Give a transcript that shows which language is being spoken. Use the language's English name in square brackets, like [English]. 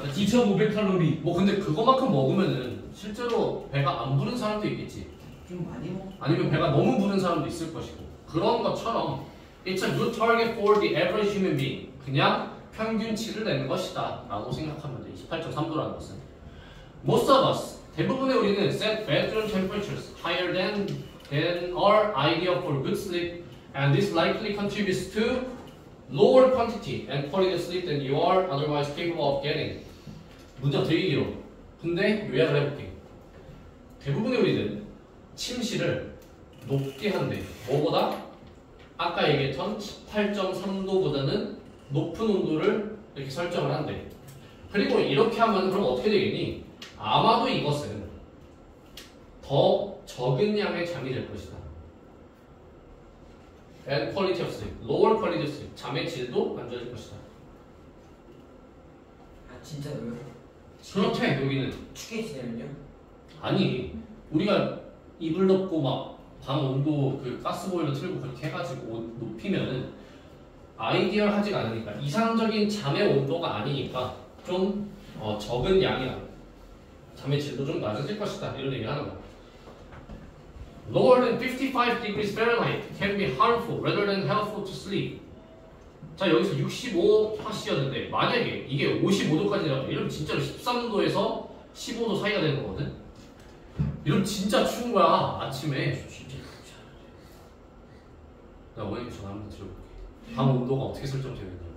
[Korean] 2500칼로리 뭐 근데 그거만큼 먹으면은 실제로 배가 안 부른 사람도 있겠지. 좀 많이 먹어. 아니면 배가 너무 부른 사람도 있을 것이고. 그런 것처럼 [English] It's a good target for the average human being. [Korean] 그냥 평균치를 내는 것이다 라고 생각하면 돼. 28.3도라는 것은 [English] Most of us, [Korean] 대부분의 우리는 [English] set bedroom temperatures higher than our idea for good sleep and this likely contributes to lower quantity and quality of sleep than you are otherwise capable of getting. [Korean] 문장 되게 길어. 근데 요약을 해볼게. 대부분의 우리는 침실을 높게 한대. 뭐보다? 아까 얘기했던 18.3도보다는 높은 온도를 이렇게 설정을 한대. 그리고 이렇게 하면 그럼 어떻게 되겠니? 아마도 이것은 더 적은 양의 잠이 될 것이다. [English] And quality of sleep, lower quality of sleep, [Korean] 잠의 질도 안 좋아질 것이다. 아 진짜로요? 그렇대. 여기는 추게 지내면요? 아니 우리가 이불 덮고 막 방 온도 그 가스보일러 틀고 그렇게 해가지고 높이면은 아이디얼하지가 않으니까, 이상적인 잠의 온도가 아니니까 좀 적은 양이야. 잠의 질도 좀 낮아질 것이다 이런 얘기를 하는 거야. [English] Lower than 55 degrees Fahrenheit can be harmful rather than helpful to sleep. [Korean] 자 여기서 65 화씨였는데 만약에 이게 55도까지라도 이러면 진짜로 13도에서 15도 사이가 되는 거거든? 이러면 진짜 추운 거야 아침에. 진짜 추지 않은데. 나 원인 전화 한번 들어볼게. 방 온도가 어떻게 설정되는지.